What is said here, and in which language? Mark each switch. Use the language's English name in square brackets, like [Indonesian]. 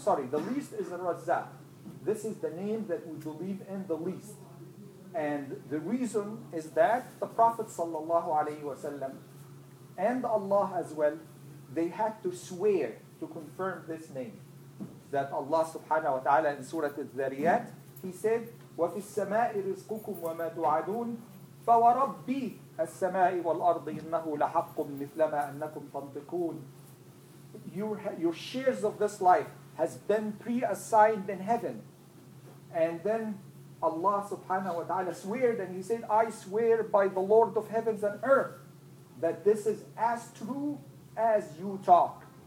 [English] The least is Al-Razzaq. This is the name that we believe in the least. And the reason is that the Prophet sallallahu alayhi wa sallam and Allah as well, they had to swear to confirm this name. That Allah subhanahu wa ta'ala in Surah Al-Dhariyat, he said, [Arabic] وَفِي السَّمَاءِ رِزْقُكُمْ وَمَا تُعَدُونَ فَوَرَبِّي السَّمَاءِ وَالْأَرْضِ إِنَّهُ لَحَقٌّ مِثْلَ مَا أَنَّكُمْ تَنْطِقُونَ. [English] Your shares of this life has been pre-assigned in heaven. And then Allah subhanahu wa ta'ala sweared and he said, I swear by the Lord of heavens and earth that this is as true as you talk.